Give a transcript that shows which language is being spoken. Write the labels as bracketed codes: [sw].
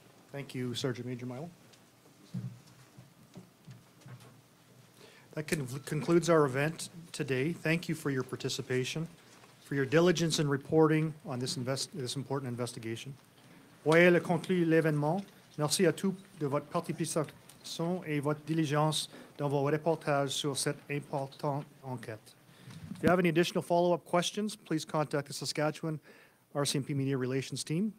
[en] Thank you, Sergeant Major Milo. That concludes our event today. Thank you for your participation, for your diligence in reporting on this important investigation. [fr] Voyez le conclu l'événement. Merci à tous de votre participation et votre diligence dans vos reportages sur cette importante enquête. [en] If you have any additional follow-up questions, please contact the Saskatchewan RCMP Media Relations Team.